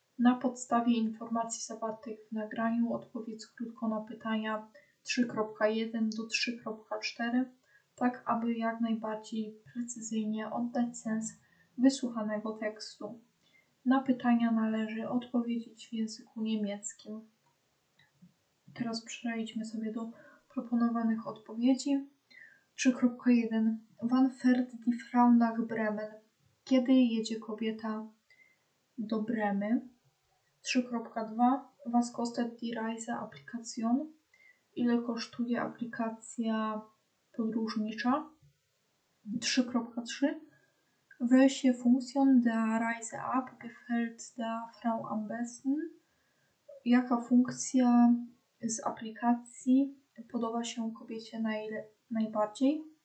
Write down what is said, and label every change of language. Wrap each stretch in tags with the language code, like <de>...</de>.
<pl>Na podstawie informacji zawartych w nagraniu odpowiedz krótko na pytania 3.1 do 3.4, tak aby jak najbardziej precyzyjnie oddać sens wysłuchanego tekstu. Na pytania należy odpowiedzieć w języku niemieckim. Teraz przejdźmy sobie do proponowanych odpowiedzi. 3.1.</pl> <de>Wann fährt die Frau nach Bremen?</de> <pl>Kiedy jedzie kobieta do Bremy? 3.2.</pl> <de>Was kostet die Reise Applikation?</de> <pl>Ile kosztuje aplikacja podróżnicza? 3.3.</pl> <de>Welche Funktion der Reise App gefällt der Frau am besten?</de> <pl>Jaka funkcja z aplikacji podoba się kobiecie najbardziej?</pl>